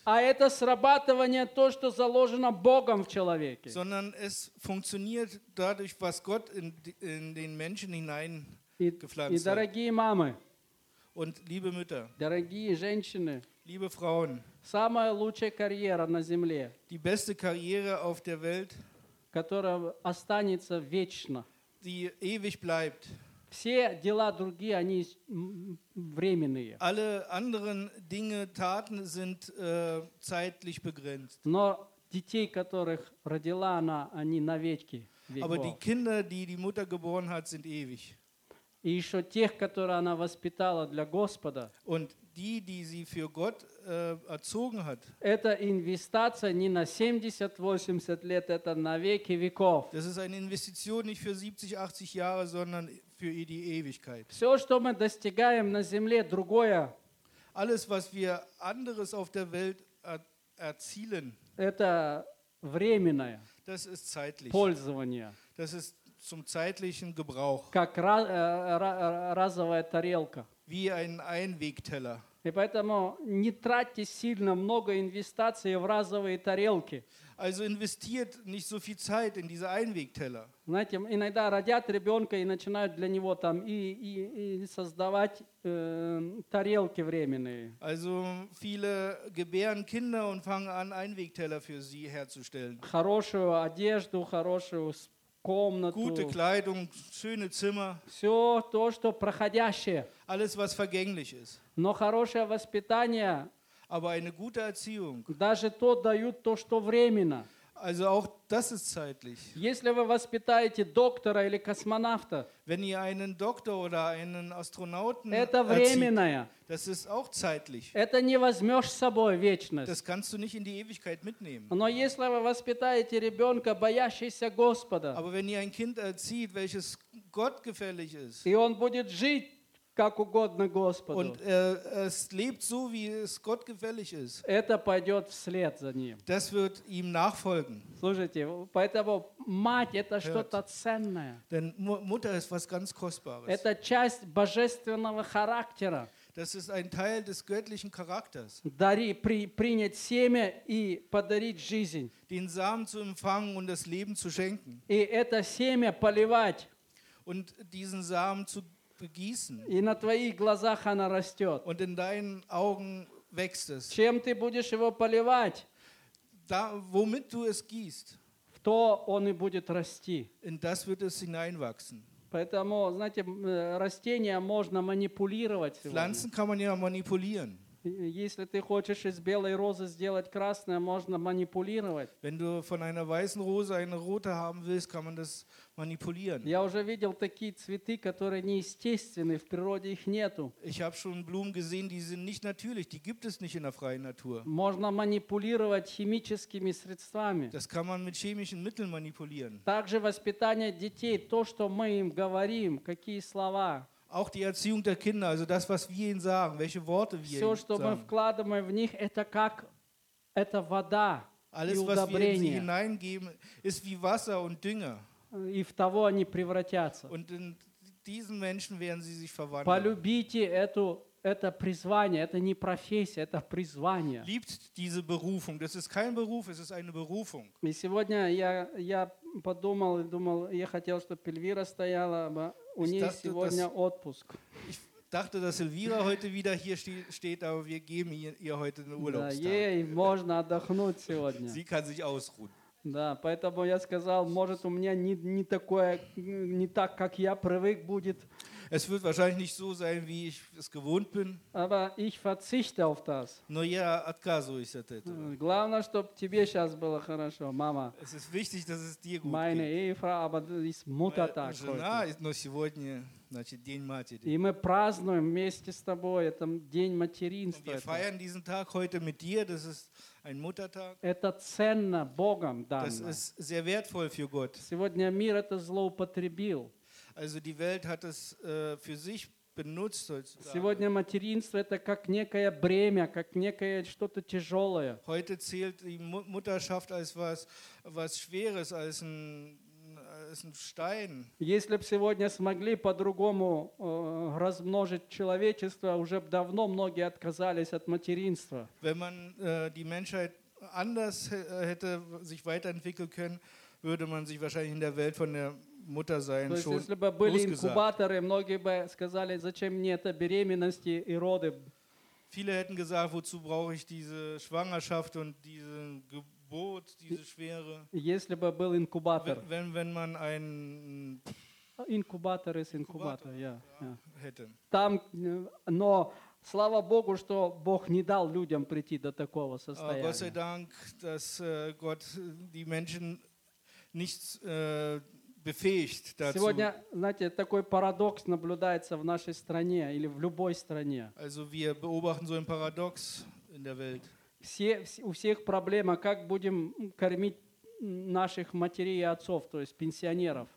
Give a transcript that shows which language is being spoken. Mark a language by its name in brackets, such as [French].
[Russian] А это срабатывание то, что заложено Богом в человеке. [German] Sondern es funktioniert dadurch, was Gott in den Menschen hineingepflanzt hat. [Russian] И дорогие мамы. [German] Und liebe Mütter. [Russian] Дорогие женщины. [German] Liebe Frauen. [Russian] Самая лучшая карьера на земле. [German] Die beste Karriere auf der Welt. [Russian] Которая останется вечно. [German] Die ewig bleibt. [Russian] Все дела другие, они временные. [German] Alle anderen Dinge, Taten sind zeitlich begrenzt. [Russian] Но детей, которых родила она, они навеки. [German] Aber die Kinder, die die Mutter geboren hat, sind ewig. [Russian] И еще тех, которые она воспитала для Господа. [German] Und die, die sie für Gott erzogen hat. [Russian] Это инвестиция не на 70-80 лет, это на веки веков. [German] Das ist eine Investition nicht für 70-80 Jahre, sondern für die Ewigkeit. [Russian] Все, что мы достигаем на земле, другое. [German] Alles, was wir anderes auf der Welt erzielen. [Russian] Это временное. [German] Das ist zeitlich. [Russian] Пользование. [German] Das ist zum zeitlichen Gebrauch. [Russian] Как разовая тарелка. [German] Wie ein Einwegteller. [Russian] И поэтому не тратьте сильно много инвестиций в разовые тарелки. [German] Also investiert nicht so viel Zeit in diese Einwegteller. [Russian] Знаете, иногда родят ребенка и начинают для него там и создавать тарелки временные. [German] Also viele gebären Kinder und fangen an Einwegteller für sie herzustellen. [Russian] Хорошую одежду, хорошую комнату. [German] Gute Kleidung, schöne Zimmer. [Russian] Все то, что проходящее. [German] Alles, was vergänglich ist. [Russian] Но хорошее воспитание. [German] Aber eine gute Erziehung. [Russian] Даже то дают то, что временно. [German] Also auch das ist zeitlich. [Russian] Если вы воспитаете доктора или космонавта. [German] Wenn ihr einen Doktor oder einen Astronauten erzieht. [Russian] Это временное. [German] Das ist auch zeitlich. [Russian] Это не возьмешь с собой вечность. [German] Das kannst du nicht in die Ewigkeit mitnehmen. [Russian] Но если вы воспитаете ребенка, боящийся Господа. [German] Aber wenn ihr ein Kind erzieht, welches gottgefällig ist. [Russian] И он будет жить. Как угодно Господу. [German] Und es lebt so, wie es Gott gefällig ist. [Russian] Это пойдет вслед за ним. [German] Das wird ihm nachfolgen. [Russian] Слушайте, поэтому мать это что-то ценное. [German] Denn Mutter ist was ganz Kostbares. [Russian] Это часть божественного характера. [German] Das ist ein Teil des göttlichen Charakters. [Russian] Принять семя и подарить жизнь. [German] Den Samen zu empfangen und das Leben zu schenken. [Russian] И это семя поливать. [German] Und diesen Samen zu begießen. [Russian] И на твоих глазах она растет. [German] Und in deinen Augen wächst es. [Russian] Чем ты будешь его поливать? [German] Da, womit du es gießt. [Russian] В то он и будет расти. [German] In das wird es hineinwachsen. [Russian] Поэтому, знаете, растения можно манипулировать. [German] Pflanzen kann man ja manipulieren. [Russian] Если ты хочешь из белой розы сделать красное, можно манипулировать. [German] Wenn du von einer weißen Rose eine rote haben willst, kann man das manipulieren. [Russian] Я уже видел такие цветы, которые неестественны, в природе их нету. [German] Ich habe schon Blumen gesehen, die sind nicht natürlich, die gibt es nicht in der freien Natur. [Russian] Можно манипулировать химическими средствами. [German] Das kann man mit chemischen Mitteln manipulieren. [Russian] Также воспитание детей, то, что мы им говорим, какие слова. [German] Auch die Erziehung der Kinder, also das, was wir ihnen sagen, welche Worte wir ihnen sagen. [Russian] Вкладываем в них, это как, это вода. [German] Alles, was wir in sie hineingeben, ist wie Wasser und Dünger. [Russian] И в того они превратятся. [German] Und in diesen Menschen werden sie sich verwandeln. [Russian] Полюбите эту, это призвание, это не профессия, это призвание. [German] Liebt diese Berufung. Das ist kein Beruf, es ist eine Berufung. [Russian] И сегодня я подумал, думал, я хотел, чтобы Эльвира стояла, но у нее сегодня отпуск. [German] Ich dachte, dass Эльвира heute wieder hier steht, aber wir geben ihr heute den Urlaubstag. [Russian] Да, ей можно отдохнуть сегодня. [German] Sie kann sich ausruhen. [Russian] Да, поэтому я сказал, может у меня не такое, не так, как я привык будет. [German] Es wird wahrscheinlich nicht so sein, wie ich es gewohnt bin. Aber ich verzichte auf das. [Russian] Но я отказываюсь от этого. Главное, чтобы тебе сейчас было хорошо, мама. [German] Es ist wichtig, dass es dir gut Meine geht. Ehefrau, aber ist Mutter Meine [Russian] жена, [German] heute. Ist, [Russian] но сегодня, значит, день матери. И мы празднуем вместе с тобой, это день материнства. [German] Und wir feiern diesen Tag heute mit dir, das ist ein Muttertag. [Russian] Это ценно Богом данное. [German] Das ist sehr wertvoll für Gott. [Russian] Сегодня мир это злоупотребил. [German] Also die Welt hat es für sich benutzt. [Russian] Сегодня материнство это как некое бремя, как некое что-то тяжелое. [German] Heute zählt die Mutterschaft als was Schweres, als ein Stein. [Russian] Если бы сегодня смогли по-другому размножить человечество, уже бы давно многие отказались от материнства. [German] Wenn man die Menschheit anders hätte sich weiterentwickeln können, würde man sich wahrscheinlich in der Welt von der Mutter sein [Russian] То [German] schon [Russian] если бы были инкубаторы, многие бы сказали, зачем мне это беременности и роды. [German] Viele hätten gesagt, wozu brauche ich diese Schwangerschaft und diese Geburt, diese Schwere. [Russian] Если бы был инкубатор. [German] Wenn man ein Inkubator ist, Inkubator, ja, ja. Hätte. [Russian] Там, но слава Богу, что Бог не дал людям прийти до такого состояния. [German] Gott sei Dank, dass Gott die Menschen nicht befähigt dazu. [Russian] Сегодня, знаете, такой парадокс наблюдается в нашей стране или в любой стране. [German] Also wir beobachten so einen Paradox in der Welt. [Russian] У всех проблема, как будем кормить наших матерей и отцов, то есть пенсионеров.